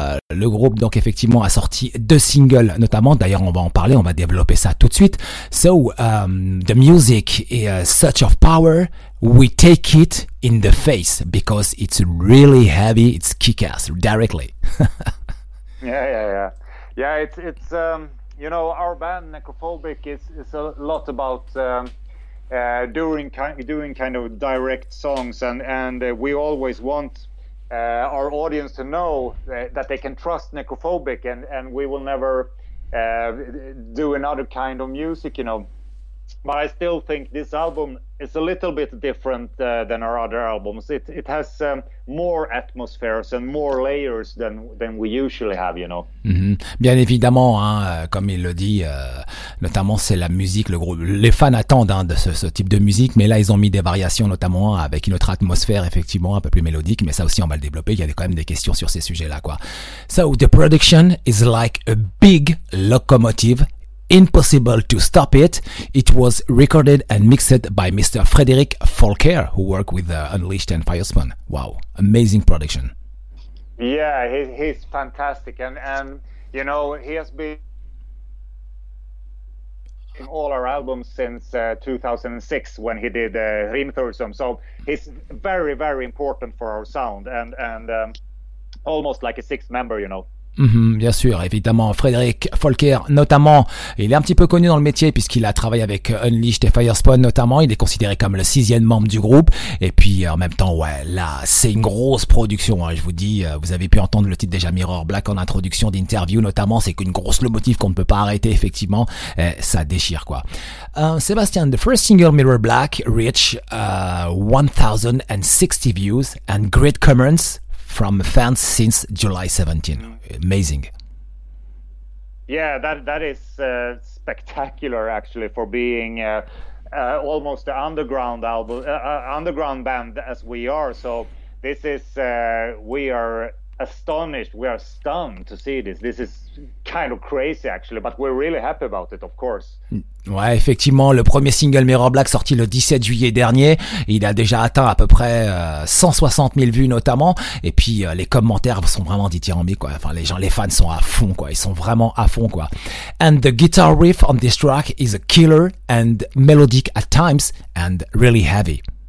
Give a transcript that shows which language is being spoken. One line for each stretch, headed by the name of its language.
French: Le groupe donc effectivement a sorti deux singles notamment, d'ailleurs on va en parler, on va développer ça tout de suite.
English: So the music is such of power, we take it in the face because it's really heavy, it's kick-ass directly. yeah it's you know, our band Necrophobic is a lot about doing kind of direct songs, and we always want our audience to know that they can trust Necrophobic, and we will never do another kind of music, you know. But I still think this album is a little bit different than our other albums. It has more atmospheres and more layers than we usually have, you know. Mm-hmm.
French: Bien évidemment, hein, comme il le dit, notamment c'est la musique, le groupe, les fans attendent hein, de ce type de musique, mais là ils ont mis des variations, notamment avec une autre atmosphère, effectivement un peu plus mélodique, mais ça aussi on va le développer. Il y a quand même des questions sur ces sujets-là, quoi.
English: So the production is like a big locomotive. Impossible to stop it. It was recorded and mixed by Mr. Frederick Folker, who worked with Unleashed and Firespawn. Wow, amazing production. Yeah, he's fantastic, and you know, he has been in all our albums since 2006 when he did Rimthursum. So he's very, very important for our sound, and almost like a sixth member, you know.
French: Mmh, bien sûr, évidemment, Frederick Folker notamment, il est un petit peu connu dans le métier puisqu'il a travaillé avec Unleashed et Firespawn notamment, il est considéré comme le sixième membre du groupe, et puis en même temps ouais, là c'est une grosse production hein, je vous dis, vous avez pu entendre le titre déjà Mirror Black en introduction d'interview notamment, c'est qu'une grosse locomotive qu'on ne peut pas arrêter effectivement, et ça déchire quoi.
English: Sebastian, the first single Mirror Black reached 1060 views and great comments from fans since July 17. Amazing. Yeah, that is spectacular actually for being almost an underground album, underground band as we are. So this is we are astonished, we are stunned to see this. This is kind of crazy actually, but we're really happy about it, of course.
French: Ouais, effectivement, le premier single Mirror Black sorti le 17 juillet dernier, il a déjà atteint à peu près 160 000 vues notamment, et puis les commentaires sont vraiment dithyrambiques quoi. Enfin, les fans sont à fond quoi, ils sont vraiment à fond quoi.
English: And the guitar riff on this track is a killer and melodic at times and really heavy.